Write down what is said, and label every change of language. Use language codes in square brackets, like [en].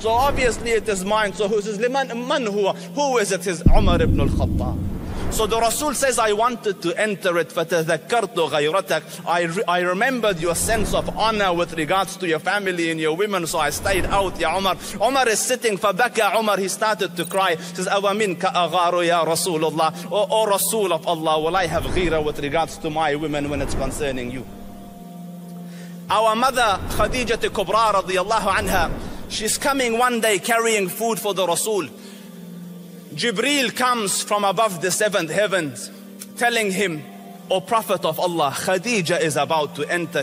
[en] So obviously it is mine. So who says, Liman man huwa? Who is it? It says, Umar ibn al-Khattab. So the Rasul says, I wanted to enter it. [ar] فَتَذَكَّرْتُ غَيْرَتَكْ. [en] I remembered your sense of honor with regards to your family and your women. So I stayed out, Ya Umar. Umar is sitting. فَبَكَى Umar. He started to cry. He says, [ar] أَوَمِنْكَ أَغَارُ يَا رَسُولُ اللَّهِ. [en] O Rasul of Allah, will I have ghira with regards to my women when it's concerning you? Our mother, Khadija Kubra, radiallahu anha, she's coming one day carrying food for the Rasul. Jibreel comes from above the seventh heavens, telling him, O Prophet of Allah, Khadija is about to enter.